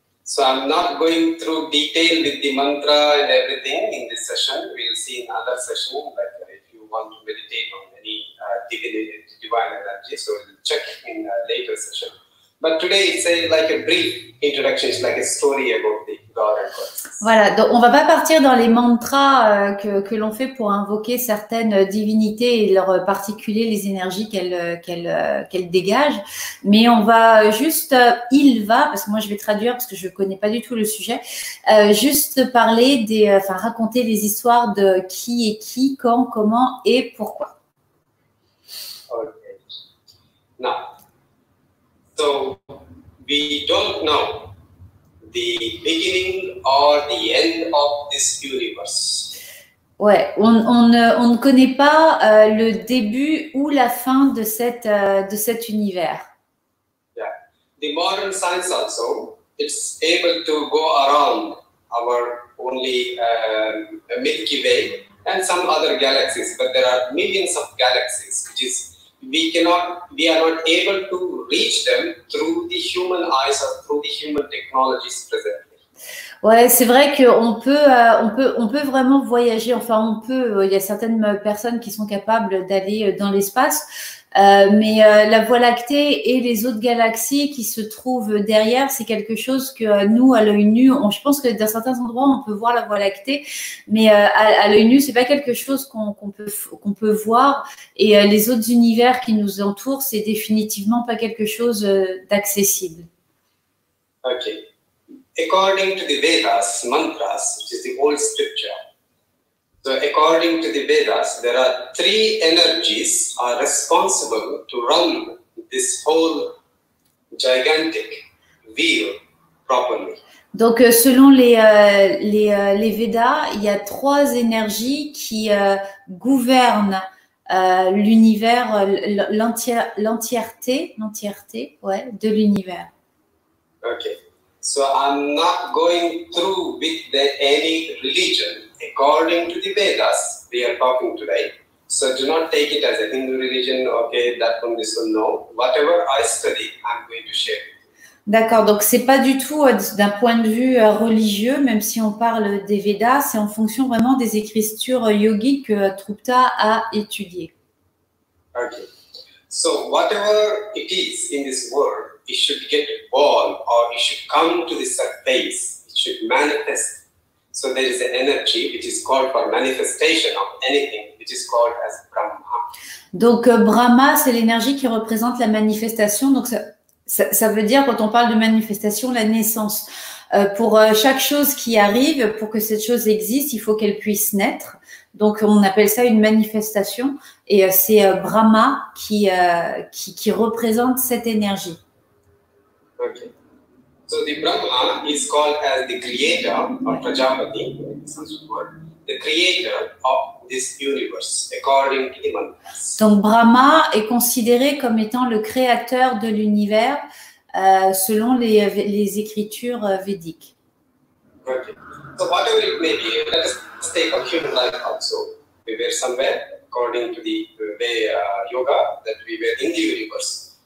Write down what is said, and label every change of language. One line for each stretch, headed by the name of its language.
English: So I'm not going through detail with the mantra and everything in this session. We'll see in other session. But if you want to meditate on any divine energy, so we'll check in a later session. But today, it's like a brief introduction. It's like a story about the God and God.
French: Voilà, donc on va pas partir dans les mantras que l'on fait pour invoquer certaines divinités et leur particulier les énergies qu'elles dégagent, mais on va juste il va parce que moi je vais traduire parce que je connais pas du tout le sujet, juste parler des enfin raconter les histoires de qui est qui, quand, comment et pourquoi.
English: Okay. Now, so we don't know the beginning or the end of this universe.
French: Ouais, on ne connaît pas le début ou la fin de cet univers.
English: Yeah, the modern science also, it's able to go around our only Milky Way and some other galaxies, but there are millions of galaxies which is we are not able to reach them through the human eyes or through the human technologies presently.
French: Ouais, c'est vrai que on peut vraiment voyager. Enfin, on peut. Il y a certaines personnes qui sont capables d'aller dans l'espace, mais la Voie lactée et les autres galaxies qui se trouvent derrière, c'est quelque chose que nous, à l'œil nu, je pense que dans certains endroits, on peut voir la Voie lactée, mais à l'œil nu, c'est pas quelque chose qu'on peut voir. Et les autres univers qui nous entourent, c'est définitivement pas quelque chose d'accessible.
English: Ok. According to the Vedas, mantras, which is the old scripture, so according to the Vedas, there are three energies are responsible to run this whole gigantic wheel properly.
French: Donc selon les Vedas, il y a trois énergies qui gouvernent l'univers, l'entièreté, ouais, de l'univers.
English: Ok. So I'm not going through with the any religion. According to the Vedas, we are talking today. So do not take it as a Hindu religion. Okay, that one, this one, no. Whatever I study, I'm going to share.
French: D'accord. Donc c'est pas du tout d'un point de vue religieux, même si on parle des Vedas, c'est en fonction vraiment des écritures yogiques que Trupta a étudié.
English: Okay. So whatever it is in this world, it should get born or it should come to the surface, it should manifest. So there is an energy which is called for manifestation of anything, which is called as Brahma.
French: Donc Brahma, c'est l'énergie qui représente la manifestation. Donc ça veut dire, quand on parle de manifestation, la naissance. Pour chaque chose qui arrive, pour que cette chose existe, il faut qu'elle puisse naître. Donc on appelle ça une manifestation et c'est Brahma qui représente cette énergie.
English: Okay. So the Brahma is called as the creator or Prajapati, in Sanskrit word, the creator of this universe according to the mantras.
French: Donc Brahma est considéré comme étant le créateur de l'univers selon les écritures védiques.
English: So whatever it may be, let us take a human life also. We were somewhere, according to the way yoga, that we were in the universe.